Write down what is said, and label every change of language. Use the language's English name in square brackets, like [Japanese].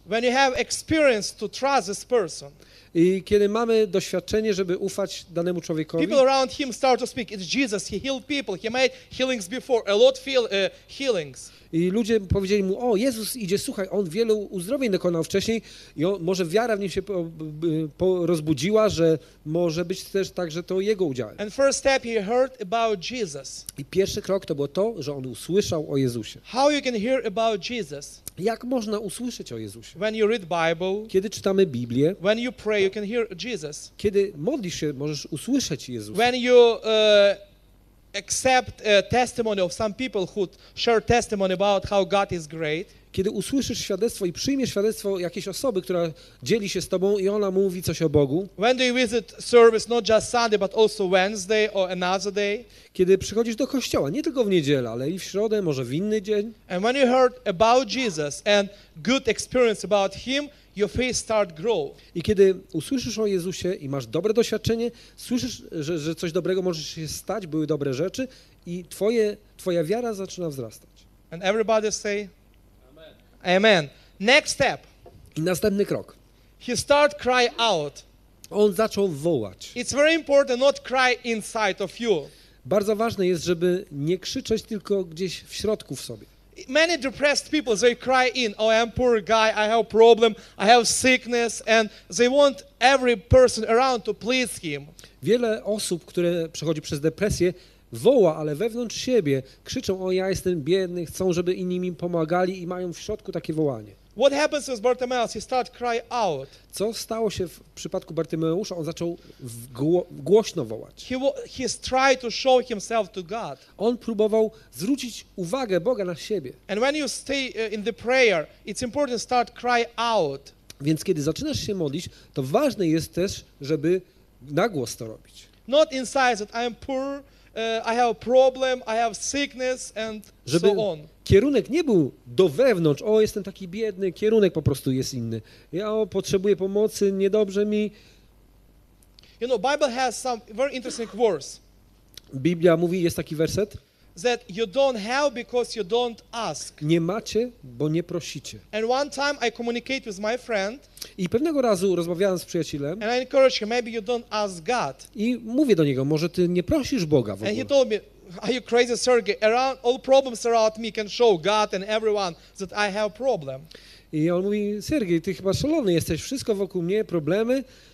[English] When you have experience to trust this person. [Polish] I kiedy mamy doświadczenie, żeby ufać danemu człowiekowi. [English] People around him start to speak. It's Jesus. He healed people. He made healings before. A lot healings. [Polish] I ludzie powiedzieli mu, o, Jezus idzie, słuchaj, on wielu uzdrowień dokonał wcześniej i on, może wiara w nim się rozbudziła, że może być też tak, że to jego udziałem. [English] And first step he heard about Jesus. [Polish] I pierwszy krok to było to, że on usłyszał o Jezusie. [English] How you can hear about Jesus? [Polish] Jak można usłyszeć o Jezusie? [English] When you read Bible, [Polish] kiedy czytamy Biblię, [English] when you pray, you can hear Jesus. [Polish] Kiedy modlisz się, możesz usłyszeć Jezusa. [English] When you, accept a testimony of some people who share testimony about how God is great. [Polish] Kiedy usłyszysz świadectwo i przyjmiesz świadectwo jakiejś osoby, która dzieli się z tobą i ona mówi coś o Bogu. [English] When do you visit service not just Sunday but also Wednesday or another day? [Polish] Kiedy przychodzisz do kościoła, nie tylko w niedzielę, ale i w środę, może w inny dzień. [English] And when you heard about Jesus and good experience about him, your faith start grow. [Polish] I kiedy usłyszysz o Jezusie i masz dobre doświadczenie, słyszysz, że coś dobrego może się stać, były dobre rzeczy i twoja wiara zaczyna wzrastać. [English] And everybody say amen. Amen. Next step. [Polish] I następny krok. [English] He start cry out. [Polish] On zaczął wołać. [English] It's very important not cry inside of you. [Polish] Bardzo ważne jest, żeby nie krzyczeć tylko gdzieś w środku w sobie. [English] Many depressed people, they cry in, oh, I'm poor guy, I have problem, I have sickness, and they want every person around to please him. [Polish] Wiele osób, które przechodzi przez depresję, woła, ale wewnątrz siebie, krzyczą, o, ja jestem biedny, chcą, żeby inni mi pomagali i mają w środku takie wołanie. [English] What happens with Bartimaeus? He start cry out. [Polish] Co stało się w przypadku Bartymeusza? On zaczął głośno wołać. [English] He tried to show himself to God. [Polish] On próbował zwrócić uwagę Boga na siebie. [English] And when you stay in the prayer, it's important to start cry out. [Polish] Więc kiedy zaczynasz się modlić, to ważne jest też, żeby na głos to robić. [English] Not inside that I am poor, I have a problem, I have sickness and [Polish] żeby [English] so on. [Polish] Kierunek nie był do wewnątrz, o, jestem taki biedny, kierunek po prostu jest inny. Ja potrzebuję pomocy, niedobrze mi. [English] You know, Bible has some very interesting words. [Polish] Biblia mówi, jest taki werset. [English] That you don't have because you don't ask. [Polish] Nie macie, bo nie prosicie. [English] And one time I communicate with my friend. [Polish] I pewnego razu rozmawiałem z przyjacielem. [English] And I encourage him, maybe you don't ask God. [Polish] I mówię do niego, może ty nie prosisz Boga w ogóle. [English] And he told me, are you crazy, Sergey? Around all problems around me can show God and everyone that I have problem. [Polish] I on mówi, Sergej, ty chyba szalony jesteś, wszystko wokół mnie, problemy.